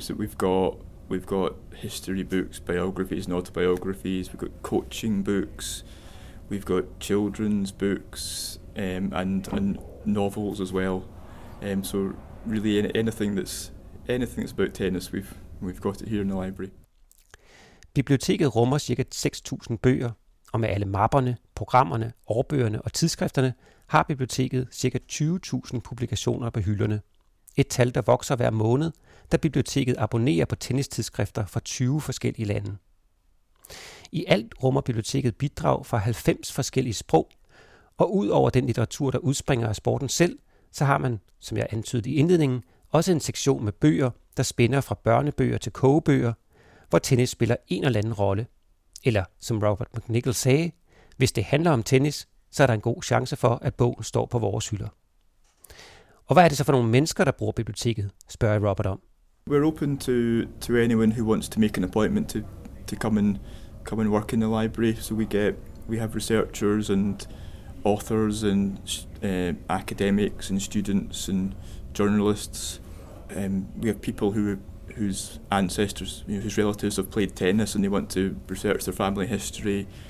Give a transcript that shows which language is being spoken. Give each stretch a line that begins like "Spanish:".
English: So we've got history books, biographies and autobiographies, we've got coaching books, we've got children's books, and novels as well. So really anything that's about tennis, we've got it here in the library.
Danish: Biblioteket rummer cirka 6,000 bøger, og med alle mapperne, programmerne, årbøgerne og tidsskrifterne har biblioteket cirka 20,000 publikationer på hylderne. Et tal, der vokser hver måned, da biblioteket abonnerer på tennistidsskrifter fra 20 forskellige lande. I alt rummer biblioteket bidrag fra 90 forskellige sprog, og ud over den litteratur, der udspringer af sporten selv, så har man, som jeg antydede i indledningen, også en sektion med bøger, der spænder fra børnebøger til kogebøger, hvor tennis spiller en eller anden rolle. Eller, som Robert McNichol sagde, hvis det handler om tennis, så er der en god chance for, at bogen står på vores hylder. Og hvad er det så for nogle mennesker, der bruger biblioteket, spørger Robert om.
English: We're open to anyone who wants to make an appointment to come and work in the library. So we have researchers and authors and academics and students and journalists. We have people whose ancestors, whose relatives have played tennis and they want to research their family history.